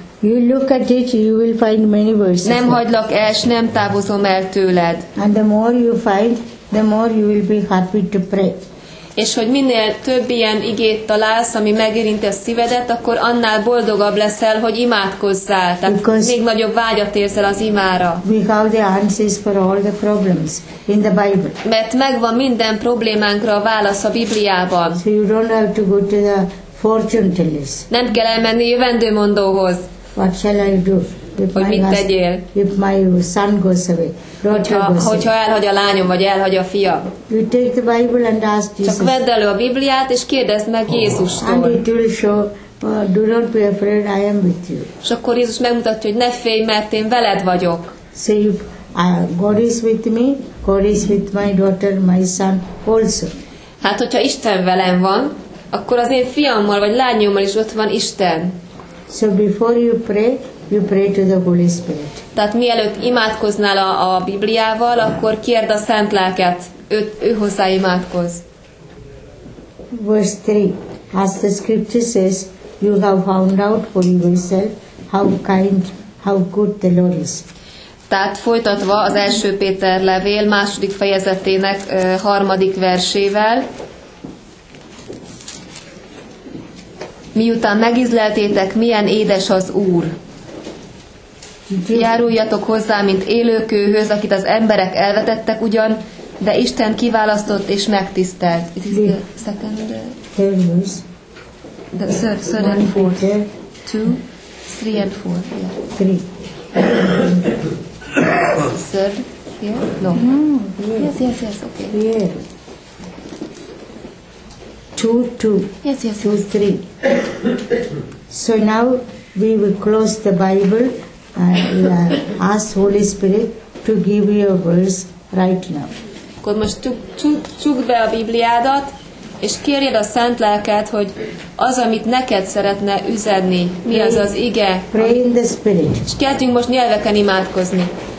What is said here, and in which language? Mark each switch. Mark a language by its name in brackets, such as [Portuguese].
[English] You look at it, you will find many verses. [Hungarian] Nem hagylak el, s nem távozom el tőled. [English] And the more you find, the more you will be happy to pray. [Hungarian] És hogy minél több ilyen igét találsz, ami megérinti a szívedet, akkor annál boldogabb leszel, hogy imádkozzál. Tehát [English] because [Hungarian] még nagyobb vágyat érzel az imára. [English] We have the answers for all the problems in the Bible. [Hungarian] Mert megvan minden problémánkra a válasz a Bibliában. [English] So you don't have to go to the fortune tellers. [Hungarian] Nem kell elmenni jövendőmondóhoz. [English] What shall I do? [Hungarian] Hogy mit tegyél? [English] If my son goes away. [Hungarian] Hogyha elhagy a lányom, vagy elhagy a fiam. [English] You take the Bible and ask Jesus. [Hungarian] Csak vedd elő a Bibliát, és kérdezd meg Jézustól. [English] And it will show, do not be afraid, I am with you. [Hungarian] És akkor Jézus megmutatja, hogy ne félj, mert én veled vagyok. [English] So if God is with me, God is with my daughter, my son also. [Hungarian] Hát, hogyha Isten velem van, akkor az én fiammal, vagy lányommal is ott van Isten. [English] So before you pray, you pray to the Holy Spirit. [Hungarian] Tehát mielőtt imádkoznál a Bibliával, akkor kérd a Szent Lelket, ő hozzá imádkoz. [English] Verse 3. As the scripture says, you have found out for yourself how kind, how good the Lord is. [Hungarian] Tehát folytatva az első Péter levél második fejezetének harmadik versével, miután megizleltétek, milyen édes az Úr. Járuljatok hozzá, mint élőkőhöz, akit az emberek elvetettek ugyan, de Isten kiválasztott és megtisztelt. [English] It is the second verse. The third and fourth. Three and four, yeah. Three. Sir, here? No. Yes, okay. Here. Two. Yes. Two, three. So now we will close the Bible and ask Holy Spirit to give you a verse right now. [Hungarian] Akkor most csukd be a Bibliádat, és kérjed a Szent Lelket, hogy az, amit neked szeretne üzenni, mi az az ige. [English] Pray in the Spirit. [Hungarian] És kezdjünk most nyelveken imádkozni.